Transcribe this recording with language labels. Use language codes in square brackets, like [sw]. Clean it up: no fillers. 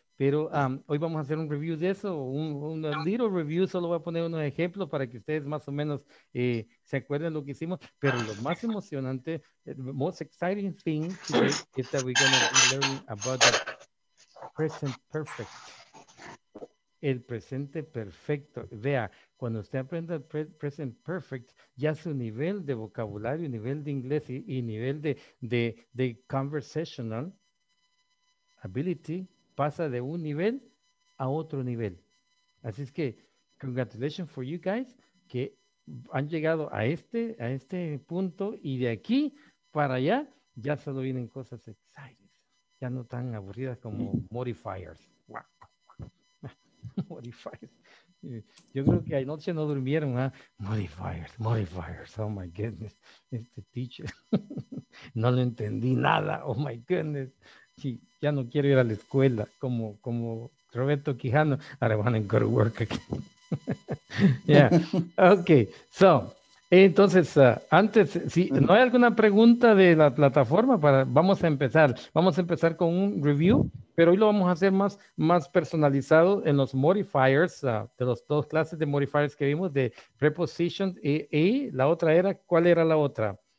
[es] Pero hoy vamos a hacer un review de eso, un [en] little review. [es] Solo voy a poner unos ejemplos para que ustedes más o menos se acuerden lo que hicimos. Pero lo más emocionante, [en] the most exciting thing today is that we're going to be learning about the present perfect. [es] El presente perfecto. Vea, cuando usted aprenda el present perfect, ya su nivel de vocabulario, nivel de inglés y nivel de [en] conversational ability [es] pasa de un nivel a otro nivel. Así es que, [en] congratulations for you guys [es] que han llegado a este punto, y de aquí para allá ya solo vienen cosas [en] exciting, [es] ya no tan aburridas como modifiers. Modifiers. Yo creo que anoche no durmieron, ¿eh? Modifiers. [en] Oh my goodness. [es] Este teacher. No lo entendí nada. [en] Oh my goodness. [es] Sí, ya no quiero ir a la escuela como Roberto Quijano. [en] I don't want to go to work again. Yeah. Okay. [es] So, entonces, antes, si no hay alguna pregunta de la plataforma, vamos a empezar. Vamos a empezar con un review. Pero hoy lo vamos a hacer más personalizado en los modifiers, de los dos clases de modifiers que vimos, de preposition y la otra era, ¿cuál era la otra?